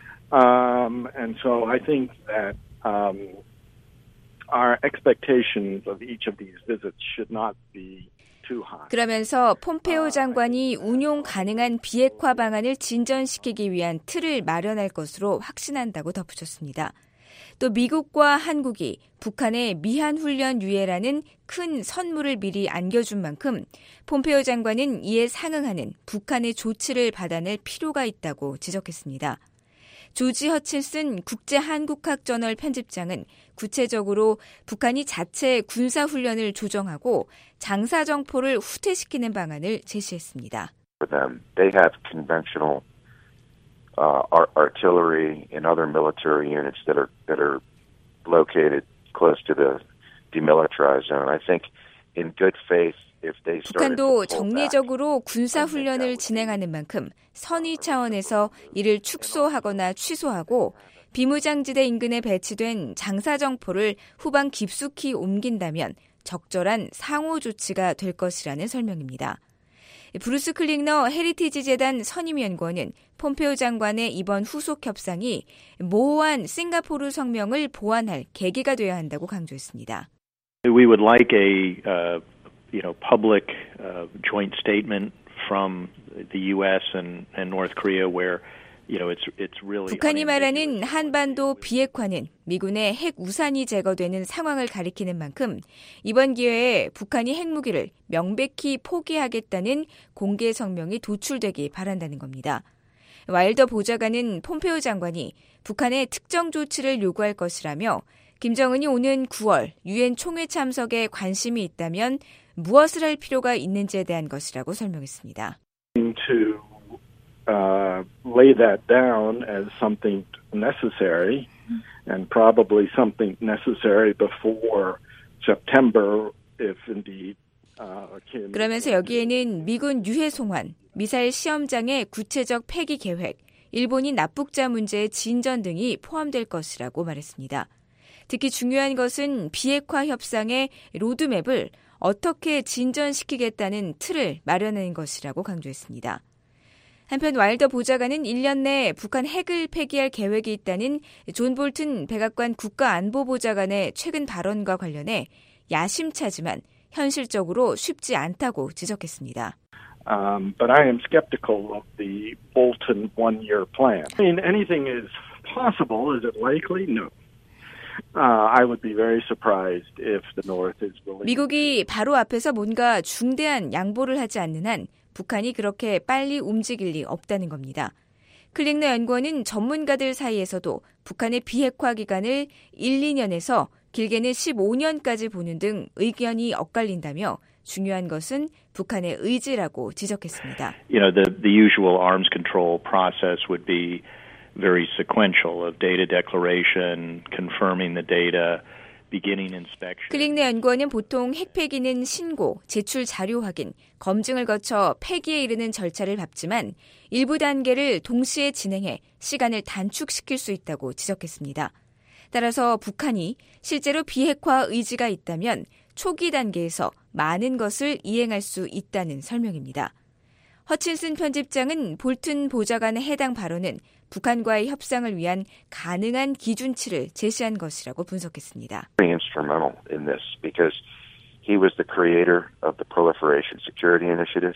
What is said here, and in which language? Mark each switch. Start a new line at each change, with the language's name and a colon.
English: And so I think that our expectations of each of these visits should not be
Korean: 그러면서 폼페오 장관이 운용 가능한 비핵화 방안을 진전시키기 위한 틀을 마련할 것으로 확신한다고 덧붙였습니다. 또 미국과 한국이 북한의 미한 훈련 유예라는 큰 선물을 미리 안겨준 만큼 폼페오 장관은 이에 상응하는 북한의 조치를 받아낼 필요가 있다고 지적했습니다. 조지 허칠슨 국제한국학저널 편집장은 구체적으로 북한이 자체 군사훈련을 조정하고 장사정포를 후퇴시키는 방안을 제시했습니다.
English: They have conventional artillery and other military units that are located close to the demilitarized zone. I think in good faith.
Korean: 북한도 정례적으로 군사훈련을 진행하는 만큼 선의 차원에서 이를 축소하거나 취소하고 비무장지대 인근에 배치된 장사정포를 후방 깊숙이 옮긴다면 적절한 상호 조치가 될 것이라는 설명입니다. 브루스 클링너 헤리티지 재단 선임연구원은 폼페오 장관의 이번 후속 협상이 모호한 싱가포르 성명을 보완할 계기가 되어야 한다고 강조했습니다.
English: We would like public joint statement from the U.S. and North Korea, where it's really
Korean: 북한이 말하는 한반도 비핵화는 미군의 핵 우산이 제거되는 상황을 가리키는 만큼 이번 기회에 북한이 핵무기를 명백히 포기하겠다는 공개 성명이 도출되기 바란다는 겁니다. 와일더 보좌관은 폼페오 장관이 북한의 특정 조치를 요구할 것이라며 김정은이 오는 9월 유엔 총회 참석에 관심이 있다면 무엇을 할 필요가 있는지에 대한 것이라고 설명했습니다.
English: To lay that down as something necessary, and probably something necessary before September, if indeed.
Korean: 그러면서 여기에는 미군 유해 송환, 미사일 시험장의 구체적 폐기 계획, 일본이 납북자 문제의 진전 등이 포함될 것이라고 말했습니다. 특히 중요한 것은 비핵화 협상의 로드맵을 어떻게 진전시키겠다는 틀을 마련한 것이라고 강조했습니다. 한편 와일더 보좌관은 1년 내에 북한 핵을 폐기할 계획이 있다는 존 볼튼 백악관 국가안보보좌관의 최근 발언과 관련해 야심차지만 현실적으로 쉽지 않다고 지적했습니다.
English: But I am skeptical of the Bolton one-year plan. I mean, anything is possible. Is it likely? No. I would be very surprised if the North is willing.
Korean: 미국이 바로 앞에서 뭔가 중대한 양보를 하지 않는 한 북한이 그렇게 빨리 움직일 리 없다는 겁니다. 클릭너 연구원은 전문가들 사이에서도 북한의 비핵화 기간을 1, 2년에서 길게는 15년까지 보는 등 의견이 엇갈린다며 중요한 것은 북한의 의지라고 지적했습니다.
English: You know, the usual arms control process would be very sequential of data declaration, confirming the data, beginning inspection.
Korean: 클릭네 연구원은 보통 핵 폐기는 신고, 제출 자료 확인, 검증을 거쳐 폐기에 이르는 절차를 밟지만 일부 단계를 동시에 진행해 시간을 단축시킬 수 있다고 지적했습니다. 따라서 북한이 실제로 비핵화 의지가 있다면 초기 단계에서 많은 것을 이행할 수 있다는 설명입니다. 허친슨 편집장은 볼튼 보좌관의 해당 발언은 북한과의 협상을 위한 가능한 기준치를 제시한 것이라고 분석했습니다.
English: Instrumental in this because he was the creator of the Proliferation Security Initiative.